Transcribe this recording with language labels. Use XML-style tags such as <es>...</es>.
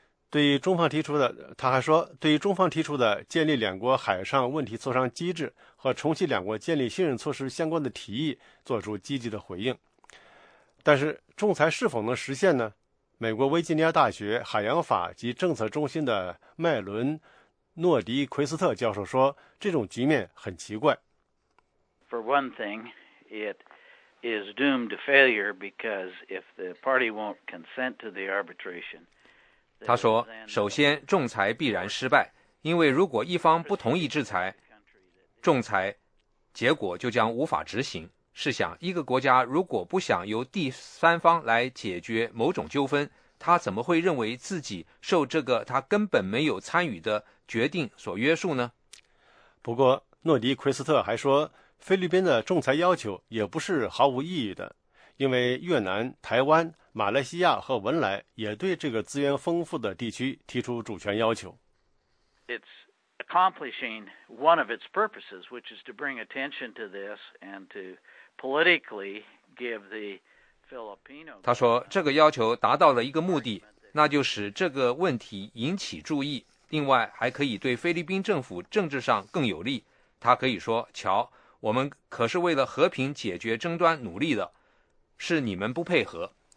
<zh>对于中方提出的，他还说，对于中方提出的建立两国海上问题磋商机制和重启两国建立信任措施相关的提议做出积极的回应。但是仲裁是否能实现呢？美国维吉尼亚大学海洋法及政策中心的麦伦·诺迪·奎斯特教授说，这种局面很奇怪。</zh> <en>For one thing, it is doomed to failure because if the party won't consent to the arbitration.</en> <zh>他说，首先仲裁必然失败，因为如果一方不同意制裁，仲裁结果就将无法执行。试想，一个国家如果不想由第三方来解决某种纠纷，他怎么会认为自己受这个他根本没有参与的决定所约束呢？不过，诺迪·奎斯特还说，菲律宾的仲裁要求也不是毫无意义的，因为越南、台湾、马来西亚和文莱也对这个资源丰富的地区提出主权要求。</zh> <en>It's accomplishing one of its purposes, which is to bring attention to this and to politically give the Filipino.</en> <zh>他说，这个要求达到了一个目的，那就是这个问题引起注意，另外还可以对菲律宾政府政治上更有利。他可以说，瞧，我们可是为了和平解决争端努力的，是你们不配合。</zh>